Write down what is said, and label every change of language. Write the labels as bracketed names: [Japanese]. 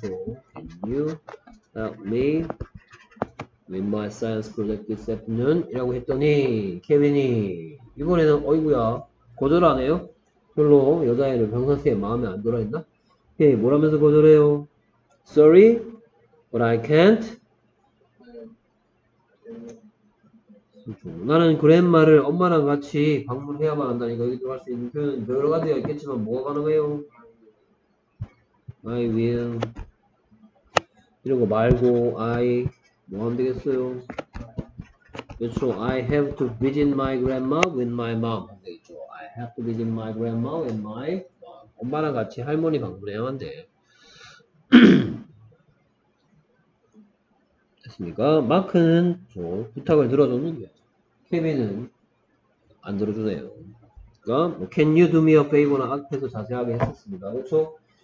[English] Can you help me with my science project this afternoon? [Korean] 이라고 했더니 케빈이 이번에는 어이구야 거절하네요. 별로 여자애를 평상시에 마음에 안 들어 했나? 케빈이 뭐라면서 거절해요? [English] Sorry, but I can't. [Korean] 나는 그랜마를 엄마랑 같이 방문해야만 한다니까 여기도 할수 있는 표현 여러 가지가 있겠지만 뭐가 가능해요? I will 이런 거 말고 I 뭐 하면 되겠어요? 그렇죠. [English] I have to visit my grandma with my mom. [Korean] 되겠죠. [English] I have to visit my grandma with my mom. [Korean] 엄마랑 같이 할머니 방문해야만 돼. 됐습니까? 마크는 저 부탁을 들어줬는데. 케빈은 안 들어주네요. 그러니까 뭐, [English] Can you do me a favor [Korean] 나 앞에서 자세하게 했었습니다. 그렇죠?